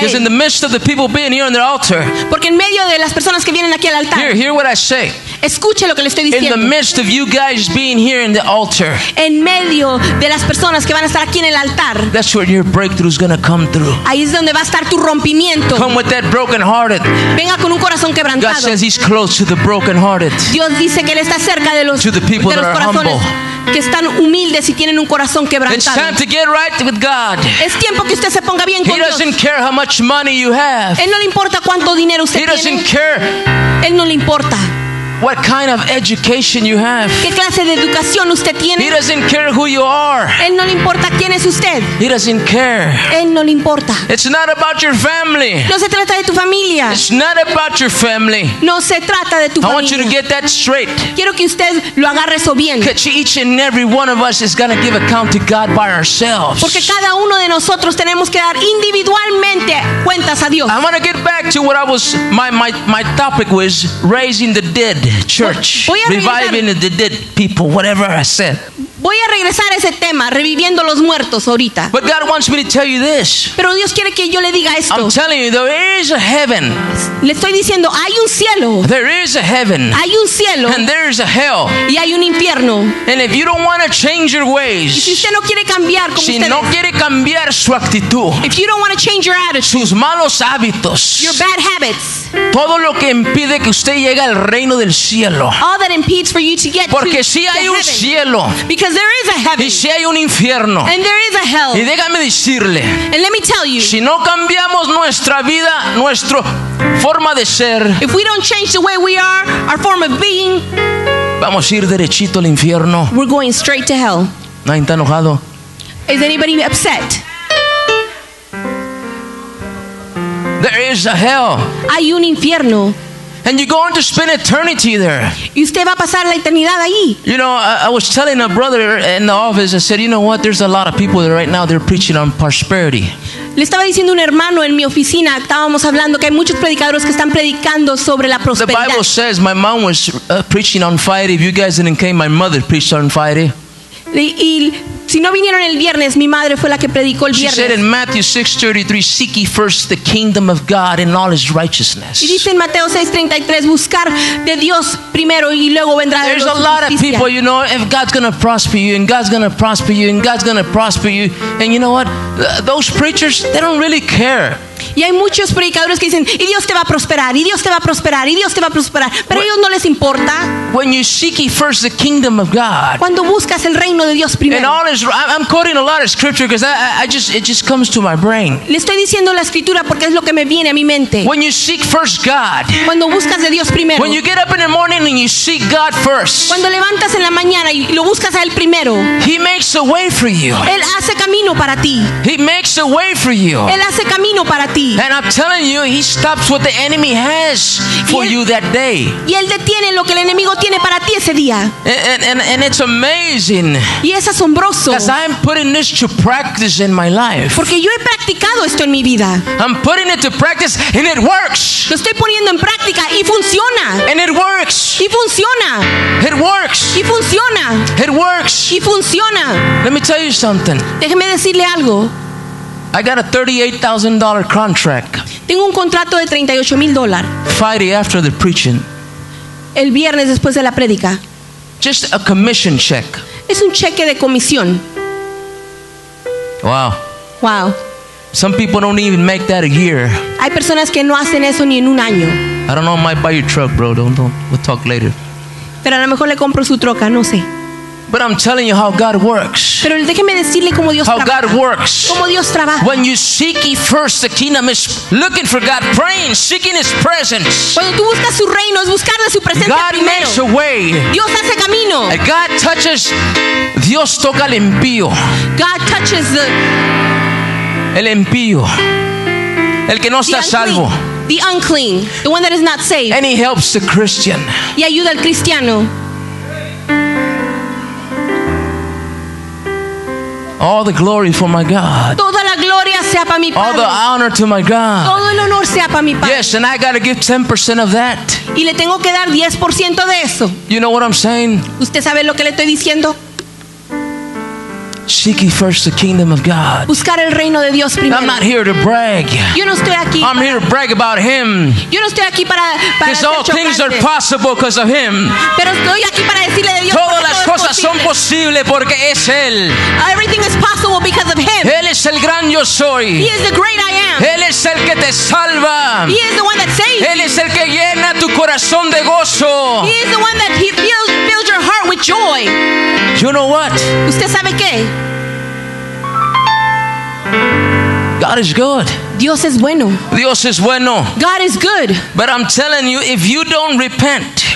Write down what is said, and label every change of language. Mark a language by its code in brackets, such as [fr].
[en] Because in the midst of the people being here on the altar. [es] Porque en medio de las personas que vienen aquí al altar. [en] Hear what I say. [es] Escuche lo que le estoy diciendo. [en] In the midst of you guys being here in the altar. [es] En medio de las personas que van a estar aquí en el altar. [en] That's where your breakthrough is gonna come through. [es] Ahí es donde va a estar tu rompimiento. [en] Come with that broken hearted. [es] Venga con un corazón quebrantado. [en] God says he's close to the broken hearted. [es] Dios dice que él está cerca de los [en] people [es] de los [en] that are humble. [es] Que están humildes y tienen un corazón quebrantado. [en] It's time to get right with God. [es] Es tiempo que usted se ponga bien con Dios. [en] He doesn't care how much money you have. [es] Él no le importa cuánto dinero usted tiene. [en] He doesn't care. [es] Él no le importa. [en] What kind of education you have? [es] ¿Qué clase de educación usted tiene? [en] He doesn't care who you are. [es] Él no le importa quién es usted. [en] He doesn't care. [es] Él no le importa. [en] It's not about your family. [es] No se trata de tu familia. [en] It's not about your family. [es] No se trata de tu [en] I [es] familia. [en] I want you to get that straight. [es] Quiero que usted lo agarre eso bien. [en] Because each and every one of us is going to give account to God by ourselves. [es] Porque cada uno de nosotros tenemos que dar individualmente cuentas a Dios. [en] I want to get back to what I was. My topic was raising the dead. Church, reviving the dead people, whatever I said. [es] Voy a regresar a ese tema, reviviendo los muertos ahorita. [en] But God wants me to tell you this. [es] Pero Dios quiere que yo le diga esto. [en] I'm telling you, there is a heaven. [es] Le estoy diciendo, hay un cielo. [en] There is a heaven. [es] Hay un cielo. [en] And there is a hell. [es] Y hay un infierno. [en] And if you don't want to change your ways, [es] y si usted no quiere cambiar como si usted no quiere cambiar su actitud, [en] if you don't want to change your attitude, [es] sus malos hábitos, [en] your bad habits, [es] todo lo que impide que usted llegue al reino del cielo, [en] all that impedes for you to get [es] porque [en] to [es] si hay un [en] heaven, [es] cielo, [en] because there is a heaven. [es] Y si hay un infierno. [en] And there is a hell. [es] Y déjame decirle, [en] and let me tell you. [es] Si no cambiamos nuestra vida, nuestra forma de ser, [en] if we don't change the way we are, our form of being, [es] vamos a ir derechito al infierno. [en] We're going straight to hell. [es] ¿Nadie está enojado? [en] Is anybody upset? There is a hell. [es] Hay un infierno. [en] And you're going to spend eternity there. [es] Y usted va a pasar la eternidad ahí. [en] You know, I was telling a brother in the office, I said, you know what, there's a lot of people that right now they're preaching on prosperity. [es] Le estaba diciendo un hermano en mi oficina, estábamos hablando que hay muchos predicadores que están predicando sobre la prosperidad. [en] The Bible says my mom was preaching on Friday. If you guys didn't came, my mother preached on Friday. [es] Y si no vinieron el viernes, mi madre fue la que predicó el viernes. [en] She said in Matthew 6:33, seek ye first the kingdom of God and all his righteousness. [es] Y dice en Mateo 6:33, buscar de Dios primero y luego vendrá de Dios. [en] There's a lot of people, you know, if God's going to prosper you and God's going to prosper you and God's going to prosper you, and you know what? Those preachers, they don't really care. [es] Y hay muchos predicadores que dicen, y Dios te va a prosperar, y Dios te va a prosperar, y Dios te va a prosperar. Pero a ellos no les importa. [en] When you seek first the kingdom of God, [es] cuando buscas el reino de Dios primero. [en] And all is, I'm quoting a lot of scripture because it just comes to my brain. [es] Le estoy diciendo la escritura porque es lo que me viene a mi mente. [en] When you seek first God, [es] cuando buscas de Dios primero. [en] When you get up in the morning and you seek God first, [es] cuando levantas en la mañana y lo buscas a Él primero. [en] He makes a way for you. [es] Él hace camino para ti. [en] He makes a way for you. [es] Él hace camino para ti. [en] And I'm telling you, he stops what the enemy has for you that day. [es] Y él detiene lo que el enemigo tiene para ti ese día. [en] And it's amazing. [es] Y es asombroso. [en] Because I'm putting this to practice in my life. [es] Porque yo he practicado esto en mi vida. [en] I'm putting it to practice and it works. [es] Lo estoy poniendo en práctica y funciona. [en] And it works. [es] Y funciona. [en] It works. [es] Y funciona. [en] It works. [es] Y funciona. [en] Let me tell you something. [es] Déjeme decirle algo. [en] I got a $38,000 contract. [es] Tengo un contrato de $38,000. [en] Friday after the preaching. [es] El viernes después de la prédica. [en] Just a commission check. [es] Es un cheque de comisión. Wow. Wow. [en] Some people don't even make that a year. [es] Hay personas que no hacen eso ni en un año. [en] I don't know, I might buy your truck, bro. Don't. We'll talk later. [es] Pero a lo mejor le compro su troca, no sé. [en] But I'm telling you how God works. [es] Pero déjeme decirle cómo Dios [en] how [es] trabaja. [en] God works. [es] Cómo Dios trabaja. [en] When you seek ye first the kingdom is looking for God, praying, seeking His presence. [es] Cuando tú buscas su reino es buscar su presencia [en] God [es] primero. [en] Makes a way. [es] Dios hace camino. [en] And God touches. [es] Dios toca el impío. [en] God touches the. [es] El impío. El que no está salvo. [en] The unclean, the one that is not saved. And He helps the Christian. [es] Y ayuda al cristiano. [en] All the glory for my God. [es] Toda la gloria sea para mi padre. [en] All the honor to my God. [es] Todo el honor sea para mi padre. [en] Yes, and I got to give 10% of that. [es] Y le tengo que dar 10% de eso. [en] You know what I'm saying? [es] ¿Usted sabe lo que le estoy diciendo? [en] Seek ye first the kingdom of God. [es] Buscar el reino de Dios primero. [en] I'm not here to brag. [es] Yo no estoy aquí. [en] I'm here to brag about Him. [es] Yo no estoy aquí para decirle. [en] Because all things are possible because of Him. [es] Pero estoy aquí para decirle de Dios. Todas las cosas son posibles porque es Él. [en] Everything is possible because of Him. [es] Él es el gran Yo Soy. [en] He is the great I am. [es] Él es el que te salva. [en] He is the one that saves. [es] Él es el que llena tu corazón de gozo. [en] He is the one that fills your heart with joy. You know what? [es] ¿Usted sabe qué? [en] God is good. [es] Dios es bueno. Dios es bueno. [en] God is good. But I'm telling you, if you don't repent.